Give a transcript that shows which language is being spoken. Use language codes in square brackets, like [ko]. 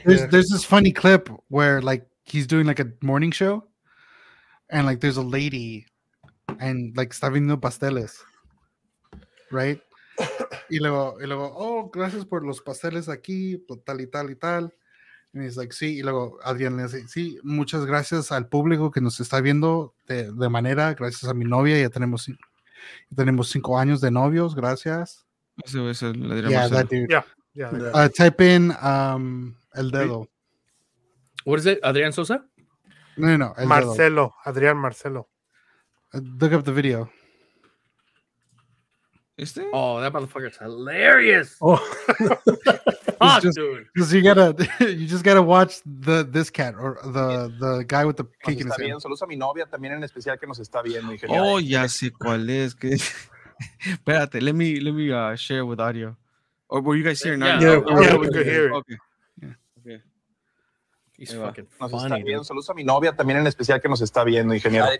[en] There's this funny clip where like he's doing like a morning show, and like there's a lady, and like [es] está viendo pasteles, [en] right? [es] y luego, oh, gracias por los pasteles aquí, tal y tal y tal. [en] And he's like, [es] sí. Y luego Adrián le dice, sí, muchas gracias al público que nos está viendo de manera, gracias a mi novia, ya tenemos. Tenemos 5 años de novios, gracias. Eso le diremos. [en] Yeah, that dude. Yeah. Type in [es] el dedo. [en] What is it? Adrián Sosa? No. [es] El Marcelo. Adrián Marcelo. [en] Look up the video. [es] ¿Este? [en] Oh, that motherfucker is hilarious. Oh. Fuck, dude. Because you just gotta watch this cat or the guy with the pink in his hand. [es] Saludos a mi novia también en especial que nos está viendo. Oh, ya sé cuál es. Espérate, [en] let me share with audio. Or were you guys hearing audio? Yeah, we could hear it. Okay. He's fucking [es] nos [en] funny. [es] Está saludos a mi novia también, en especial que nos está viendo, ingeniero.